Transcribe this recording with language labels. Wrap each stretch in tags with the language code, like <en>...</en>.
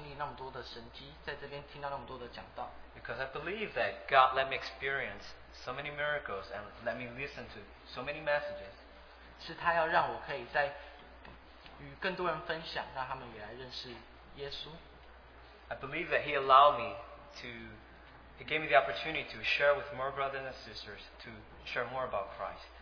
<zh>因为我知道上帝让我经历那么多的神迹，在这边听到那么多的讲道。</zh> <en>Because I believe that God let me experience so many miracles and let me listen to so many messages.</en> <zh>是他要让我可以再与更多人分享，让他们也来认识耶稣。</zh> <en>I believe that He allowed me to, He gave me the opportunity to share with more brothers and sisters, to share more about Christ.</en>